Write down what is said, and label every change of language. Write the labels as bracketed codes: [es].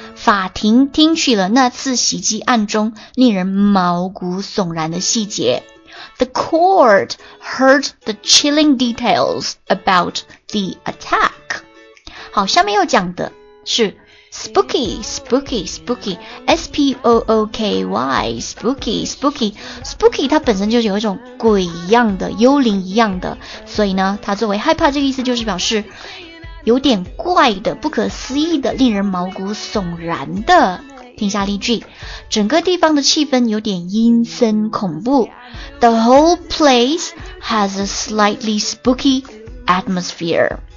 [zh] 法庭听取了那次袭击案中令人毛骨悚然的细节。 [en] The court heard the chilling details about the attack. [zh] 好，下面要讲的是 spooky, spooky, spooky, S-P-O-O-K-Y, spooky, spooky, spooky, 它本身就是有一种鬼一样的，幽灵一样的，所以呢，它作为害怕这个意思就是表示有点怪的，不可思议的，令人毛骨悚然的。听下例句，整个地方的气氛有点阴森恐怖。 [en] The whole place has a slightly spooky atmosphere.